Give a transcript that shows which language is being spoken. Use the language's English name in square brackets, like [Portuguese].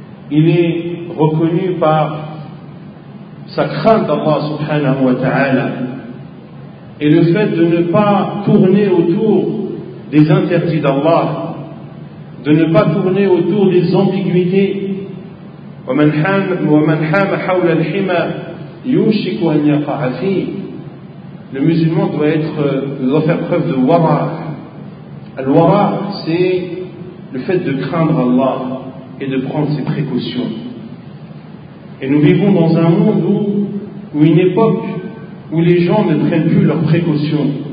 [French] Il est reconnu par sa crainte d'Allah subhanahu wa ta'ala et le fait de ne pas tourner autour des interdits d'Allah, de ne pas tourner autour des ambiguïtés [Arabic] ومن حام حول الحمى يوشك أن يقع فيه. [French] Le musulman doit faire preuve de wara. Al-wara, c'est le fait de craindre Allah et de prendre ses précautions. Et nous vivons dans un monde où une époque où les gens ne prennent plus leurs précautions.